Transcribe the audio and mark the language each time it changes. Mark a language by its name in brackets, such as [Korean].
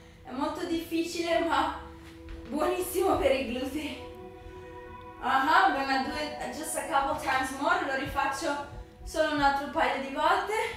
[Italian] È molto difficile, ma buonissimo per i glutei. [English] I'm gonna do it just a couple times more. [Italian] Lo rifaccio solo un altro paio di volte.